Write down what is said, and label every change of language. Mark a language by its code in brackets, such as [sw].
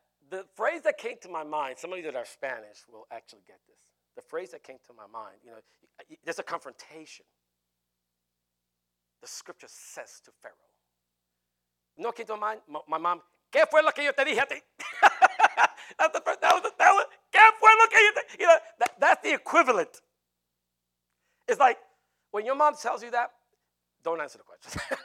[en] The phrase that came to my mind, some of you that are Spanish will actually get this. The phrase that came to my mind, you know, there's a confrontation. The scripture says to Pharaoh. You know what came to my mind? My mom, [es] ¿qué fue lo que yo te dije a ti? [en] That's the first, that was, [es] ¿qué fue lo que yo te dije? [en] You know, that's the equivalent. It's like, when your mom tells you that, don't answer the question.